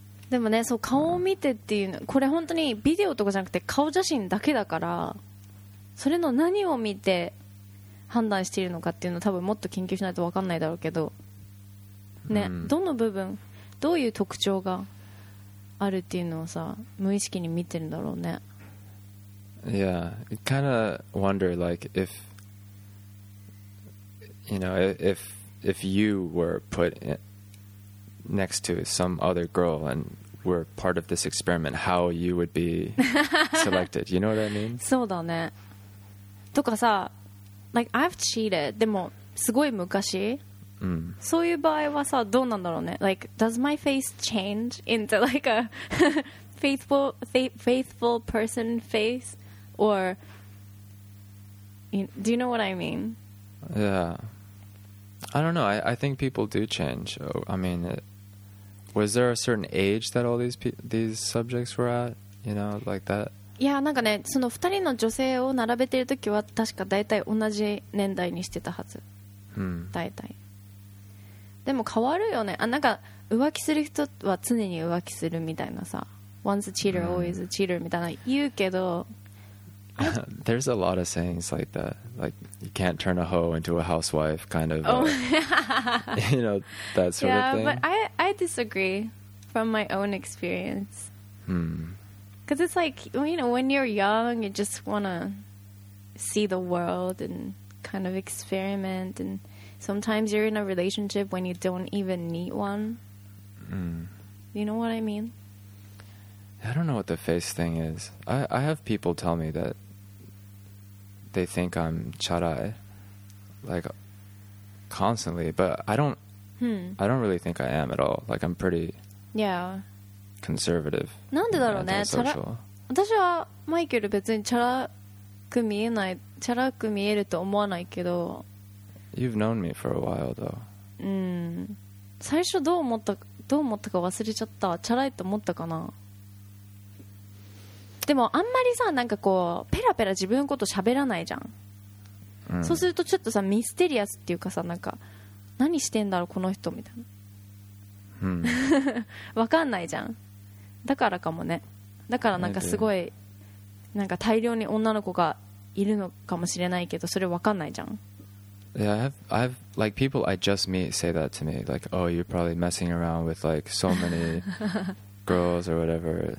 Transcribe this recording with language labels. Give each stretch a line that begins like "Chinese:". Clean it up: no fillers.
Japanese: でもね、そう、顔を見てっていうの、これ本当にビデオとかじゃなくて顔写真だけだから、それの何を見て判断しているのかっていうのを多分もっと研究しないと分かんないだろうけど、ね、どの部分、どういう特徴があるっていうのをさ、無意識に見てるんだろうね。
English: Yeah, I kind of wonder, like, if, you know, if you were put next to some other girl and were part of this experiment, how you would be selected. You know what I mean?
Japanese: そうだね。とかさ、like,
English: I've cheated,
Japanese: でもすごい昔。そういう場合はさ、どうなんだろうね。
English: Like, does my face change into, like, a faithful person face? Or, do you know what I mean? Yeah. I don't know. I think people do change. I mean, was there a certain age that all these subjects were at? You know, like that?
Japanese: Yeah, なんかね、その二人の女性を並べてるときは確かだいたい同じ年代にしてたはず。だいたい。でも変わるよね。あ、なんか浮気する人は常に浮気するみたいなさ。
English: Once a cheater, always a cheater
Japanese: みたいな言うけど、
English: There's a lot of sayings like that. Like, you can't turn a hoe into a housewife kind of, you know, that sort yeah, of thing. Yeah, but I disagree from my own experience. Because it's like, you know, when you're young, you just want to see the world and kind of experiment. And sometimes you're in a relationship when you don't even need one. You know what I mean? I don't know what the face thing is. I have people tell me that they think I'm charai, like, constantly, but I don't really think I am at all. Like, I'm pretty conservative.
Japanese: なんでだろうね。私はマイケル別にチャラく見えない、チャラく見えると思わないけど。
English: You've known me for a while though.
Japanese: 最初どう思ったか忘れちゃった。チャラいと思ったかな。でもあんまりさ、なんかこうペラペラ自分のこと喋らないじゃん、そうするとちょっとさミステリアスっていうかさ、なんか何してんだろうこの人みたいな、わかんないじゃん。だからかもね。だからなんかすごい、なんか大量に女の子がいるのかもしれないけど、それわかんないじゃん。
English: Yeah, I've like people I just meet say that to me, like, oh, you're probably messing around with like so many girls or whatever.